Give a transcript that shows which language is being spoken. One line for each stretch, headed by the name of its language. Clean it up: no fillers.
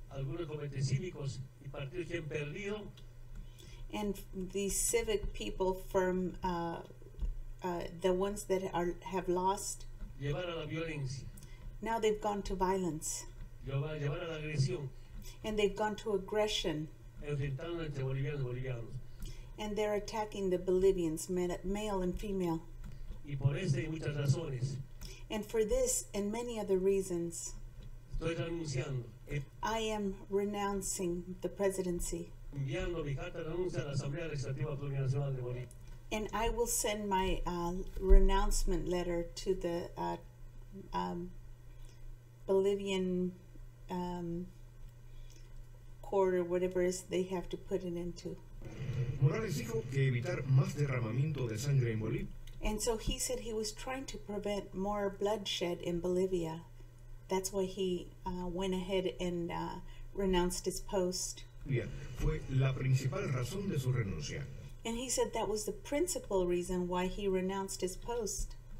Spanish: algunos comités cívicos y partidos que han perdido,
English: and these civic people from the ones that are have lost,
Spanish: llevar a la violencia.
English: Now they've gone to violence.
Spanish: Llevar a la agresión.
English: And they've gone to aggression.
Spanish: Enfrentando entre bolivianos y bolivianos.
English: And they're attacking the Bolivians, men, male and female.
Spanish: Y por eso y muchas razones.
English: And for this and many other reasons,
Spanish: estoy renunciando.
English: I am renouncing the presidency.
Spanish: Enviando mi carta de renuncia a la Asamblea Legislativa Plurinacional de Bolivia.
English: And I will send my renouncement letter to the Bolivian court or whatever it is they have to put it into.
Spanish: Morales dijo que evitar más derramamiento de sangre en Bolivia.
English: And so he said he was trying to prevent more bloodshed in Bolivia. That's why he went ahead and renounced his post.
Spanish: Fue la principal razón de su renuncia.
English: And he said that was the principal reason why he renounced his post.